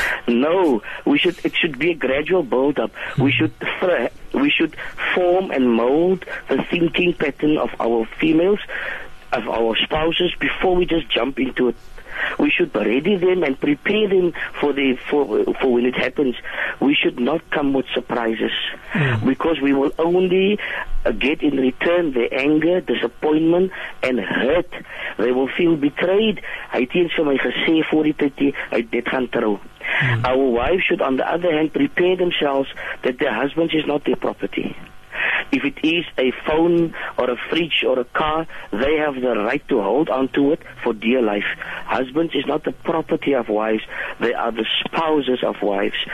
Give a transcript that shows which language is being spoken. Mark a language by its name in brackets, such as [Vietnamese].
[English] No, it should be a gradual build up. We should form and mold the thinking pattern of our females, of our spouses, before we just jump into it. We should ready them and prepare them for when it happens. We should not come with surprises, because we will only get in return the anger, disappointment, and hurt. They will feel betrayed. [Afrikaans] Hy het vir my gesê voor die tyd, hy dit gaan trou. [English] Our wives should, on the other hand, prepare themselves that their husband is not their property. If it is a phone or a fridge or a car, they have the right to hold on to it for dear life. Husbands is not the property of wives. They are the spouses of wives.